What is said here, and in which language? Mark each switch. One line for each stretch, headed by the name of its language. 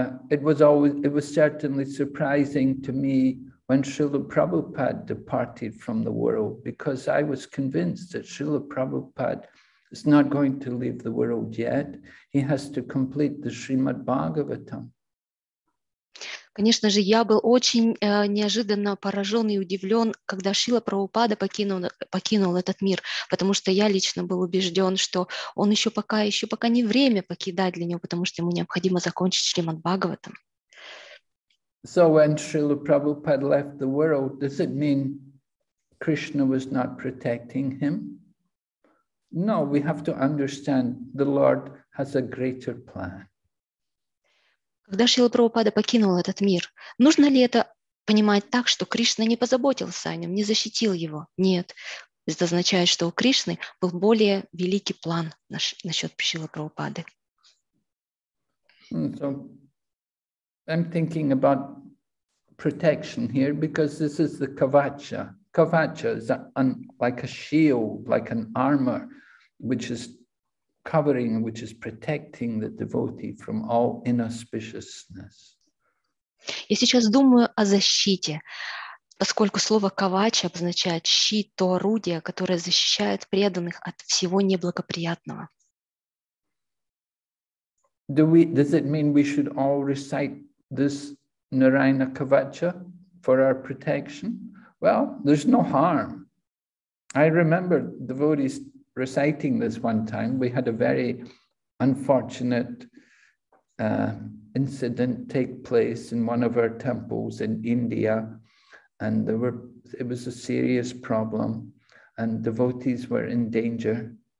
English: It was certainly surprising to me when Srila Prabhupada departed from the world, because I was convinced that Srila Prabhupada is not going to leave the world yet. He has to complete the Srimad Bhagavatam.
Russian: Конечно же, я был очень неожиданно поражен и удивлен, когда Шрила Прабхупада покинул этот мир, потому что я лично был убежден, что он еще пока не время покидать для него, потому что ему необходимо закончить Шримад Бхагаватам.
English: So when Srila Prabhupada left the world, does it mean Krishna was not protecting him? No, we have to understand the Lord has a greater plan.
Russian: Когда Шрила Прабхупада покинул этот мир, нужно ли это понимать так, что Кришна не позаботился о нем, не защитил его? Нет. Это означает, что у Кришны был более великий план насчет Шрилы Прабхупады.
English: So, I'm thinking about protection here, because this is the kavacha. Kavacha is like a shield, like an armor, which is covering, which is protecting the devotee from all inauspiciousness.
Russian: Я сейчас думаю о защите, поскольку слово кавача обозначает щит, то орудие, которое защищает преданных от всего неблагоприятного.
English: Does it mean we should all recite this Narayana Kavacha for our protection? Well, there's no harm. I remember devotees reciting this one time. We had a very unfortunate incident take place in one of our temples in India, and it was a serious problem, and devotees were in danger.